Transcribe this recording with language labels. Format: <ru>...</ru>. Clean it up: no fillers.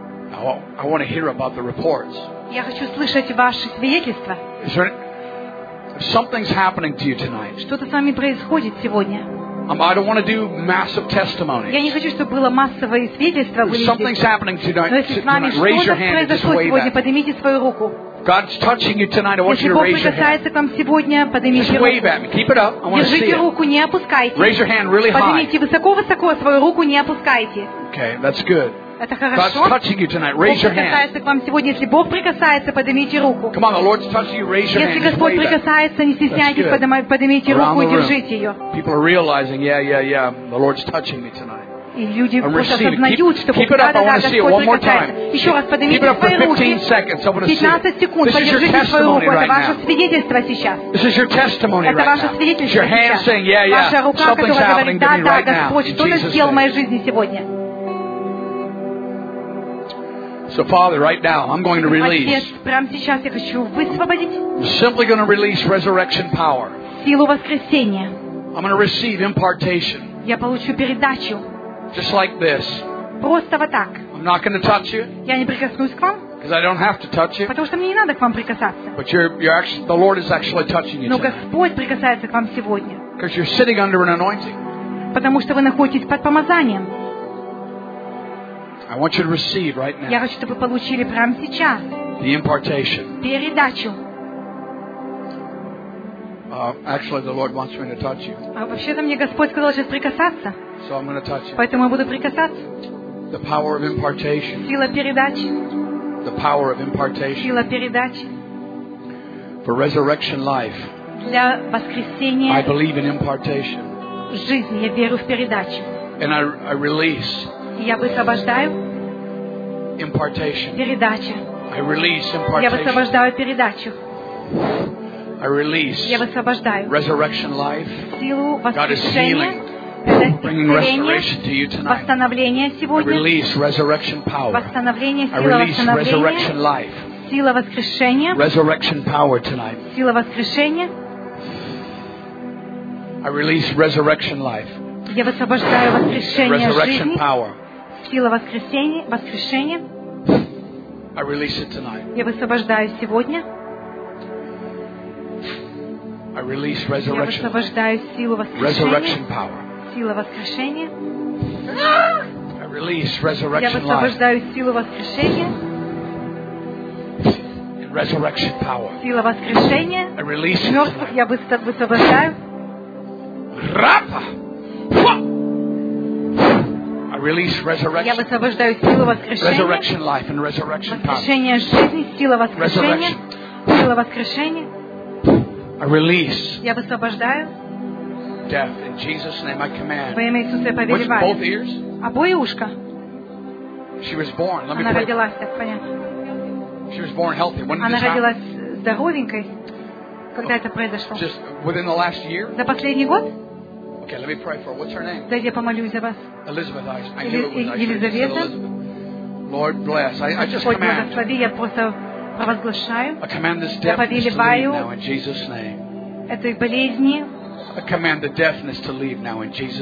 <en>I want to hear about the reports.</en> <ru>Я хочу слышать ваши свидетельства.</ru> <en>Is there something's happening to you tonight?</en> <ru>Что-то с вами происходит сегодня.</ru> <en>I don't want to do massive testimonies.</en> <ru>Я не хочу, чтобы было массовое свидетельство.</ru> <en>Something's happening tonight.</en> <ru>Но если с вами что-то происходит сегодня, поднимите свою руку.</ru> <en>God's touching you tonight. I want you to raise your hand.</en> <ru>Если Бог сегодня, поднимите руку.</ru> <en>Just wave at me. Keep it up. I want to see.</en> <ru>Держите руку, не опускайте.</ru> <en>Raise your hand really high.</en> <ru>Поднимите высоко-высоко свою руку, не опускайте.</ru> <en>Okay, that's good.</en> <ru>Это хорошо.</ru> <en>God's touching you tonight. Raise your hand.</en> <ru>Бог прикасается к вам сегодня. Если Бог прикасается, поднимите руку.</ru> <en>Come on, the Lord's touching you. Raise your hand.</en> <ru>Если Господь прикасается, не стесняйтесь, поднимите руку и держите ее.</ru> <en>People are realizing, yeah, the Lord's touching me tonight.</en> <ru>И люди осознают, что Бог прикасается. Еще раз поднимите свои руки. 15 секунд. Поддержите свою руку. Это ваше свидетельство сейчас. Это ваше свидетельство сейчас. Ваша рука, которая говорит, да, Господь, что-то сделал в моей жизни сегодня.</ru> <en>So, Father, right now, I'm going to release.</en> <ru>Прямо сейчас я хочу высвободить.</ru> <en>Simply going to release resurrection power.</en> <ru>Силу воскресения.</ru> <en>I'm going to receive impartation.</en> <ru>Я получу передачу.</ru> <en>Just like this.</en> <ru>Просто вот так.</ru> <en>I'm not going to touch you.</en> <ru>Я не прикоснусь к вам.</ru> <en>Because I don't have to touch you.</en> <ru>Потому что мне не надо к вам прикасаться.</ru> <en>But you're actually, the Lord is actually touching you.</en> <ru>Но Господь прикасается к вам сегодня.</ru> <en>Because you're sitting under an anointing.</en> <ru>Потому что вы находитесь под помазанием.</ru> <en>I want you to receive right now.</en> <ru>Я хочу, чтобы вы получили прямо сейчас.</ru> <en>The impartation.</en> <ru>Передачу.</ru> <en>Actually, the Lord wants me to touch you.</en> <ru>А вообще-то мне Господь сказал сейчас прикасаться.</ru> <en>So I'm going to touch you.</en> <ru>Поэтому я буду прикасаться.</ru> <en>The power of impartation.</en> <ru>Сила передачи.</ru> <en>The power of impartation.</en> <ru>Сила передачи.</ru> <en>For resurrection life.</en> <ru>Для воскресения.</ru> <en>I believe in impartation.</en> <ru>Жизнь, я верю в передачу.</ru> <en>And I release.</en> <ru>Я высвобождаю</ru> <en>impartation.</en> <ru>Передачу.</ru> <en>I release impartation.</en> <ru>Я высвобождаю передачу.</ru> <en>I release.</en> <ru>Я высвобождаю</ru> <en>resurrection life.</en> <ru>Силу воскрешения.</ru> <en>Bringing restoration to you tonight.</en> <ru>Восстановление сегодня.</ru> <en>I release resurrection power.</en> <ru>Восстановление, сила восстановления.</ru> <en>I release resurrection life.</en> <ru>Сила воскрешения.</ru> <en>Resurrection power tonight.</en> <ru>Сила воскрешения.</ru> <en>I release resurrection life.</en> <ru>Я высвобождаю воскрешение жизни. Сила воскрешения.</ru> <en>I release it tonight.</en> <ru>Я высвобождаю сегодня.</ru> <en>I release resurrection.</en> <ru>Я высвобождаю силу воскрешения.</ru> <en>Resurrection power.</en> <ru>Сила воскрешения.</ru> <en>I release resurrection life.</en> <ru>Я высвобождаю силу воскрешения.</ru> <en>Resurrection power.</en> <ru>Сила воскрешения.</ru> <en>I release it.</en> <ru>Мертвых я высвобождаю. Рапа!</ru> <en>I release resurrection.</en> <ru>Я высвобождаю силу воскрешения.</ru> <en>Resurrection life and resurrection power.</en> <ru>Воскрешение жизни, сила воскрешения. Сила воскрешения.</ru> <en>I release.</en> <ru>Я высвобождаю.</ru> <en>Death in Jesus' name I command.</en> <ru>Во имя Иисуса я повелеваю.</ru> <en>Both ears.</en> <ru>Обои ушка.</ru> <en>She was born. Let me</en> <ru>Она родилась, так понятно.</ru> <en>She was born healthy. When</en> <ru>Она родилась здоровенькой. Когда это произошло?</ru> <en>Just within the last year.</en> <ru>За последний год?</ru> <en>Okay, let me pray for her. What's her name?</en> <ru>Дайте я помолюсь за вас.</ru> <en>Elizabeth, I knew it was Elizabeth. Lord bless. I just</en> <ru>Господь</ru> <en>command.</en> <ru>Благослови, я просто провозглашаю.</ru> <en>I command this deafness to leave now in Jesus' name.</en> <ru>Этой болезни.</ru> <en>I command the deafness to leave now in Jesus' name.</en>